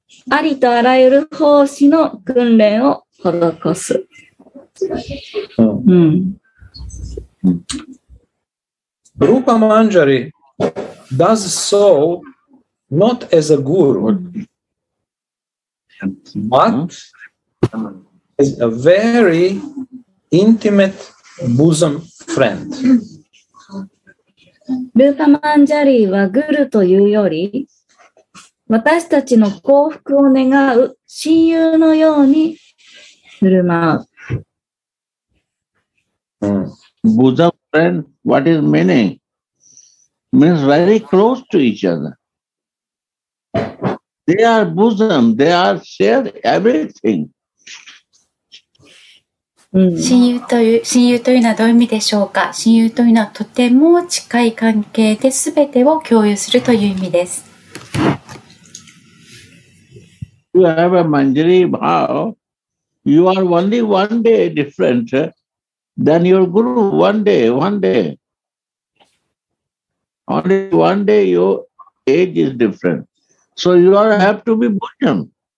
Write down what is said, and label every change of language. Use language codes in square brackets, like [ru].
[ja] ありとあらゆる奉仕の訓練を施す。うん。うん。 [en] Rupa Manjari does so not as a guru, but as a very intimate bosom friend. [ja] Rupa Manjari はグルというより、私たちの幸福を願う親友のように振る舞う。 [en] Bosom friend, what is meaning? Means very close to each other. They are bosom, they are shared everything. [ja] 親友という、親友というのはどういう意味でしょうか。親友というのはとても近い関係で全てを共有するという意味です。 [en] You have a manjari bhav. You are only one day different than your guru. One day, one day. Only one day your age is different. So you all have to be bhujan.